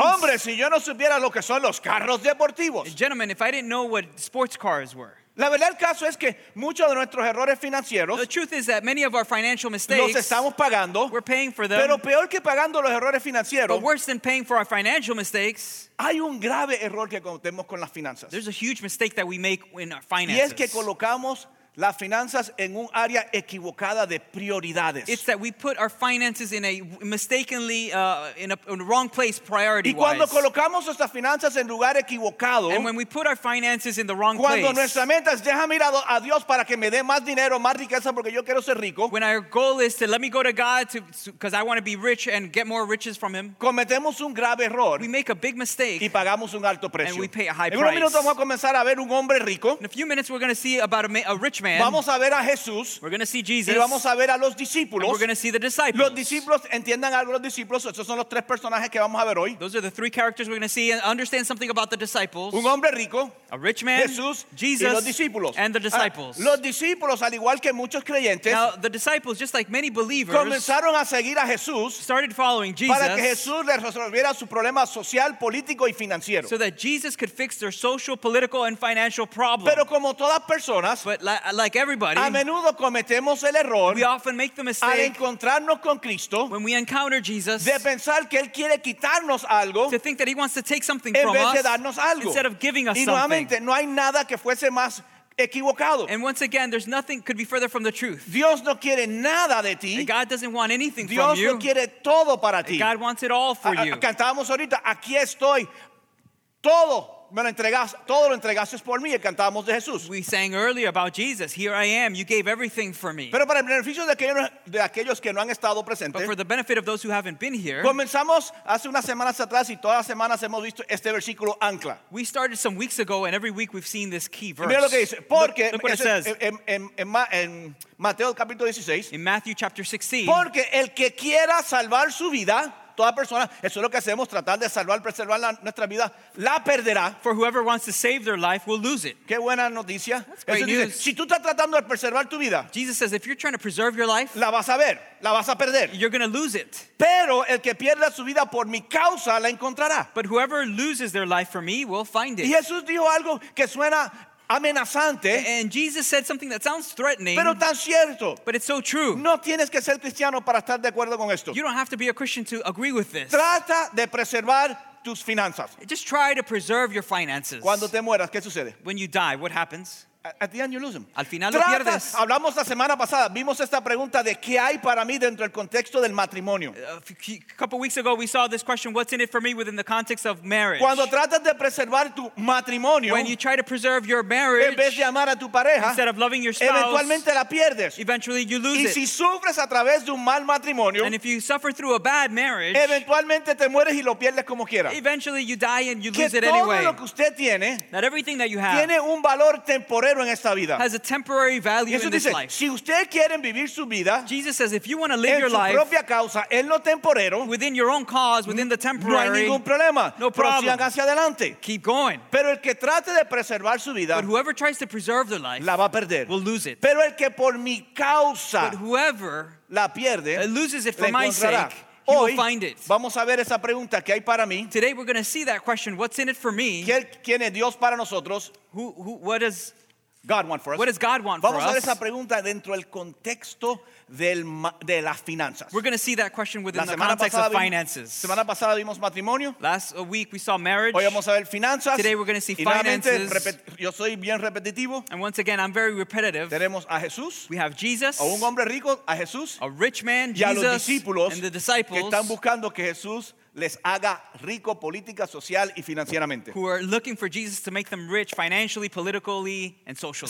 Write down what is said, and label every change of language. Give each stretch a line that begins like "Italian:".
Spanish: Hombre, si yo no supiera lo que son los carros deportivos,
English: gentlemen, if I didn't know what sports cars were,
Spanish: la verdad el caso es que muchos de nuestros errores financieros,
English: the truth is that many of our financial mistakes,
Spanish: los estamos pagando,
English: we're paying for them,
Spanish: pero peor que pagando los errores financieros,
English: but worse than paying for our financial mistakes,
Spanish: hay un grave error que cometemos con las finanzas.
English: There's a huge mistake that we make in our finances.
Spanish: Y es que colocamos las finanzas en un área equivocada de prioridades.
English: It's that we put our finances in a mistakenly in a wrong place priority-wise.
Spanish: Y cuando colocamos nuestras finanzas en lugar equivocado,
English: and when we put our finances in the wrong
Spanish: cuando
English: place,
Spanish: nuestra meta es déjame ir a Dios para que me dé más dinero, más riqueza porque yo quiero ser rico,
English: when our goal is to let me go to God to because I want to be rich and get more riches from him,
Spanish: cometemos un grave error,
English: we make a big mistake,
Spanish: y pagamos un alto precio,
English: and we pay a high
Spanish: en
English: price.
Spanish: En unos minutos vamos a comenzar a ver un hombre rico.
English: In a few minutes we're going to see about a rich man.
Spanish: Vamos a ver a Jesús.
English: We're going to see Jesus.
Spanish: Y vamos a ver a los discípulos.
English: We're going to see the disciples.
Spanish: Los discípulos, entiendan algo, los discípulos, esos son los tres personajes que vamos a ver hoy.
English: Those are the three characters we're going to see and understand something about the disciples.
Spanish: Un hombre rico,
English: a rich man,
Spanish: Jesús,
English: Jesus,
Spanish: y los discípulos.
English: And the disciples.
Spanish: Los discípulos, al igual que muchos creyentes,
English: now, the disciples, just like many believers,
Spanish: comenzaron a seguir a Jesús,
English: started following Jesus,
Spanish: para que Jesús les resolviera su problema social, político y financiero.
English: So that Jesus could fix their social, political and financial problems.
Spanish: Pero como todas personas,
English: like everybody,
Spanish: a menudo cometemos el error,
English: we often make the mistake,
Spanish: al encontrarnos con Cristo,
English: when we encounter Jesus,
Spanish: de pensar que él quiere quitarnos algo,
English: to think that he wants to take something
Spanish: en
English: from
Spanish: vez
English: us,
Spanish: de darnos algo,
English: instead of giving us
Spanish: y nuevamente,
English: something.
Spanish: No hay nada que fuese más equivocado.
English: And once again, there's nothing could be further from the truth.
Spanish: Dios no quiere nada de ti.
English: And God doesn't want anything
Spanish: Dios
English: from you.
Spanish: Dios no quiere todo para ti.
English: And God wants it all for you.
Spanish: Cantábamos ahorita, aquí estoy, todo. Me lo entregas, todo lo entregaste por mí, y cantábamos de Jesús.
English: We sang earlier about Jesus. Here I am, you gave everything for me.
Spanish: Pero para el beneficio de aquellos que no han estado presentes,
English: but for the benefit of those who haven't been here,
Spanish: comenzamos hace unas semanas atrás y todas las semanas hemos visto este versículo ancla.
English: We started some weeks ago and every week we've seen this key verse.
Spanish: Y mira lo que dice, porque
English: look what it says.
Spanish: En Mateo capítulo 16.
English: In Matthew chapter 16.
Spanish: Porque el que quiera salvar su vida, toda persona, eso es lo que hacemos, tratar de salvar, preservar nuestra vida, la perderá.
English: For whoever wants to save their life will lose it.
Spanish: Qué buena noticia.
English: That's great news.
Spanish: Dice, si tú estás tratando de preservar tu vida,
English: Jesus says, if you're trying to preserve your life,
Spanish: la vas a ver, la vas a perder.
English: You're going to lose it.
Spanish: Pero el que pierda su vida por mi causa la encontrará.
English: But whoever loses their life for me will find it.
Spanish: Y Jesús dijo algo que suena amenazante,
English: and Jesus said something that sounds threatening,
Spanish: pero tan cierto,
English: but it's so true.
Spanish: No tienes que ser cristiano para estar de acuerdo con esto.
English: You don't have to be a Christian to agree with this.
Spanish: Trata de preservar tus finanzas.
English: Just try to preserve your finances.
Spanish: Cuando te mueras, ¿qué sucede?
English: When you die, what happens? At the end you lose them.
Spanish: Al final lo pierdes. Hablamos la semana pasada, vimos esta pregunta de qué hay para mí dentro del contexto del matrimonio.
English: A couple weeks ago we saw this question, what's in it for me within the context of marriage?
Spanish: Cuando tratas de preservar tu matrimonio,
English: when you try to preserve your marriage,
Spanish: en vez de amar a tu pareja,
English: instead of loving your spouse,
Spanish: eventualmente la pierdes.
English: Eventually you lose
Spanish: it. Y si sufres a través de un mal matrimonio,
English: and if you suffer through a bad marriage,
Spanish: eventualmente te mueres y lo pierdes como quieras.
English: Eventually you die and you
Spanish: que
English: lose it anyway.
Spanish: Lo que usted tiene,
English: that everything that you have,
Spanish: tiene un valor temporal.
English: Has a temporary value in this
Spanish: dice,
English: life.
Spanish: Si usted quieren vivir su vida,
English: Jesus says, if you want to live your life
Spanish: propia causa, en lo temporero,
English: within your own cause, within the temporary,
Spanish: no hay ningún problema.
English: No problem.
Spanish: Prosigan hacia adelante.
English: Keep going.
Spanish: Pero el que trate de preservar su vida,
English: but whoever tries to preserve their life
Spanish: la va a perder.
English: Will lose it.
Spanish: Pero el que por mi causa,
English: but whoever
Spanish: la pierde,
English: loses it for my
Spanish: encontrará.
English: Sake. You will find it.
Spanish: Vamos a ver esa pregunta, ¿qué hay para mí?
English: Today we're going to see that question, what's in it for me?
Spanish: ¿Quién es Dios para nosotros?
English: Who, what is God want for us? What does God want
Spanish: Vamos
English: for us?
Spanish: Vamos a ver esa pregunta dentro del contexto del de las finanzas.
English: We're going to see that question within the context of finances.
Spanish: Semana pasada vimos matrimonio.
English: Last week we saw marriage.
Spanish: Hoy vamos a ver finanzas.
English: Today we're going to see finances.
Spanish: Yo soy bien repetitivo.
English: And once again, I'm very repetitive.
Spanish: Tenemos a Jesús.
English: We have Jesus.
Spanish: A un hombre rico, a Jesús.
English: A rich man,
Spanish: y a
English: Jesus.
Spanish: Y a los discípulos.
English: And the disciples.
Spanish: Que están buscando que Jesús les haga rico política, social y financieramente.
English: Who are looking for Jesus to make them rich financially, politically, and socially.